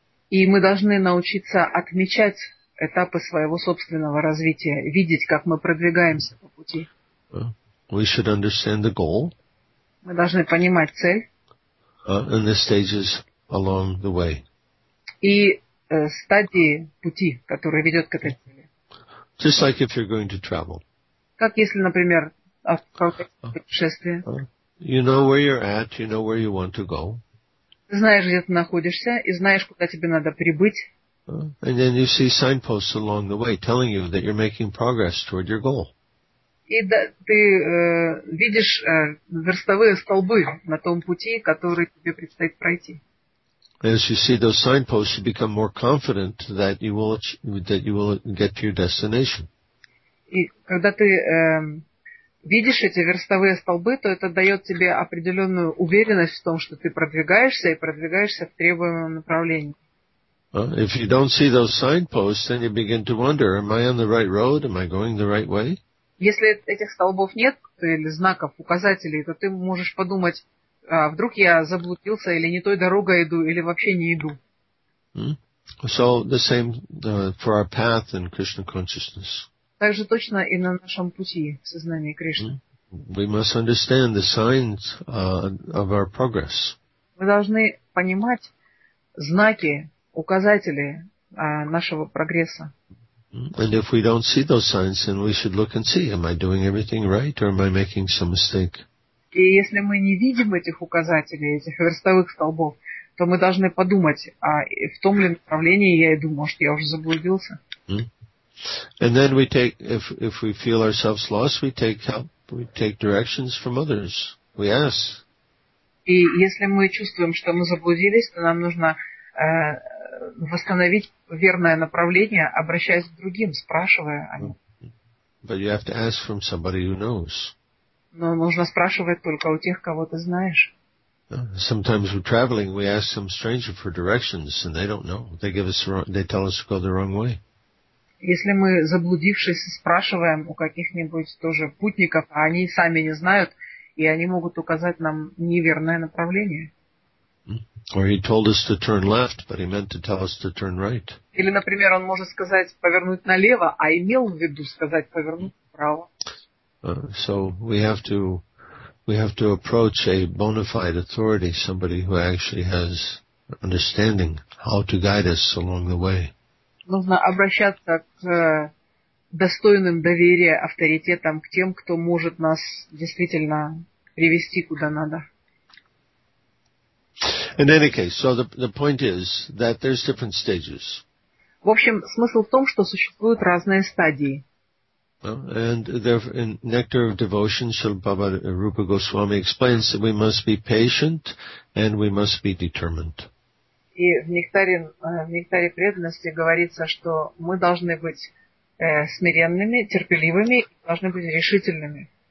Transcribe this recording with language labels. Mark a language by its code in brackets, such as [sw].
[ru] И мы должны научиться отмечать этапы своего собственного развития, видеть, как мы продвигаемся по пути. [en] We should understand the goal. [ru] Мы должны понимать цель. [en] And the stages along the way. [ru] И стадии пути, которые ведут к этой цели. [en] Just like if you're going to travel. [ru] Как если, например, в путешествии. [en] You know where you're at, you know where you want to go. [ru] Ты знаешь, где ты находишься, и знаешь, куда тебе надо прибыть. [en] And then you see signposts along the way telling you that you're making progress toward your goal. [ru] И да, ты видишь верстовые столбы на том пути, который тебе предстоит пройти. [en] As you see those signposts, you become more confident that you will get to your destination. [ru] И когда ты видишь эти верстовые столбы, то это дает тебе определенную уверенность в том, что ты продвигаешься и продвигаешься в требуемом направлении. [en] If you don't see those signposts, then you begin to wonder, am I on the right road? Am I going the right way? [ru] Если этих столбов нет, или знаков, указателей, то ты можешь подумать, а вдруг я заблудился, или не той дорогой иду, или вообще не иду. [en] So the same for our path in Krishna consciousness. [ru] Так же точно и на нашем пути в сознании Кришны. [en] We must understand the signs of our progress. [ru] Мы должны понимать знаки, указатели нашего прогресса. [en] And if we don't see those signs, then we should look and see, am I doing everything right or am I making some mistake? [ru] И если мы не видим этих указателей, этих верстовых столбов, то мы должны подумать, а в том ли направлении я иду, может, я уже заблудился. [en] And then we take, if we feel ourselves lost, we take help, we take directions from others. We ask. [ru] И если мы чувствуем, что мы заблудились, то нам нужно восстановить верное направление, обращаясь к другим, спрашивая о них. [en] But you have to ask from somebody who knows. [ru] Но нужно спрашивать только у тех, кого ты знаешь. [en] Sometimes we're traveling, we ask some stranger for directions, and they don't know. They give us wrong, they tell us to go the wrong way. [ru] Если мы заблудившись, спрашиваем у каких-нибудь тоже путников, а они сами не знают, и они могут указать нам неверное направление. [en] Or he told us to turn left, but he meant to tell us to turn right. [ru] Или, например, он может сказать повернуть налево, а имел в виду сказать повернуть вправо. [en] So we have to approach a bona fide authority, somebody who actually has understanding how to guide us along the way. [ru] Нужно обращаться к достойным доверия авторитетам, к тем, кто может нас действительно привести куда надо. [en] In any case, so the point is that there's different stages. [ru] В общем, смысл в том, что существуют разные стадии. [en] And therefore, in Nectar of Devotion, Srila Prabhupada Rupa Goswami explains that we must be patient and we must be determined. [ru] И в нектаре преданности говорится, что мы должны быть смиренными, терпеливыми, должны быть решительными.